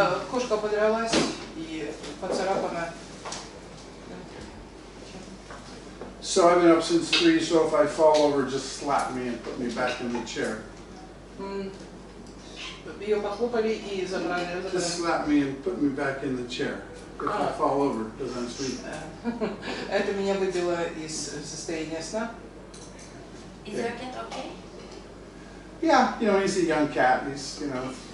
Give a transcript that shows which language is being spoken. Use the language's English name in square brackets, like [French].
[Russian] Кошка подралась и поцарапана. [English] So I've been up since 3, so if I fall over, just slap me and put me back in the chair. [Russian] Ее похлопали и забрали. [English] Just slap me and put me back in the chair. If I fall over, because I'm sleeping. [Russian] Это меня выбило из состояния сна. [English] Is your cat okay? Yeah, you know, he's a young cat. He's, you know.